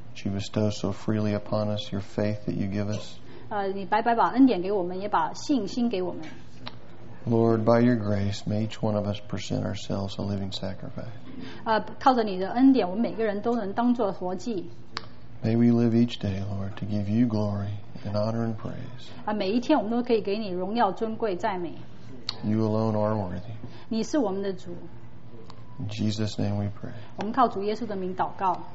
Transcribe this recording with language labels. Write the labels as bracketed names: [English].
[English] That you bestow so freely upon us your faith that you give us. [Chinese] 你白白把恩典给我们，也把信心给我们。 [English] Lord, by your grace, may each one of us present ourselves a living sacrifice. [Chinese] 靠着你的恩典，我们每个人都能当作活祭。 [English] May we live each day, Lord, to give you glory and honor and praise. [Chinese] 每一天我们都可以给你荣耀、尊贵、赞美。 [English] You alone are worthy. [Chinese] 你是我们的主。 [English] In Jesus' name we pray. [Chinese] 我们靠主耶稣的名祷告。